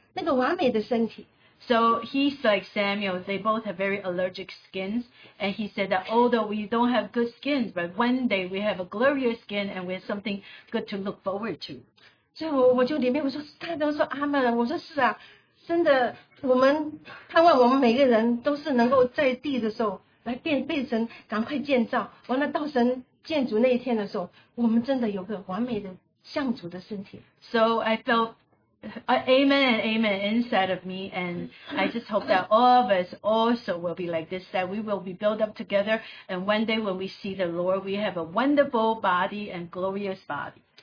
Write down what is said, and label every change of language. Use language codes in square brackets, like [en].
[zh] 所以他跟Samuel都是皮肤都不好，我就说，我说哎呀，真的很感谢主。后来有些有一句话，他说，他说是啊，虽然今天我们的身体是这样子的，但是我们盼望有一天我们见主面的时候，我们那个完美的身体。 [en] So he like Samuel, they both have very allergic skins, and he said that although we don't have good skins, but one day we have a glorious skin and we have something good to look forward to. [zh] 所以我就里面我说，他都说阿们，我说是啊。真的，我们盼望我们每个人都是能够在地的时候来变被神赶快建造，完了到神建主那一天的时候，我们真的有个完美的像主的身体。 [en] So I felt amen and amen inside of me, and I just hope that all of us also will be like this, that we will be built up together, and one day when we see the Lord, we have a wonderful body and glorious body.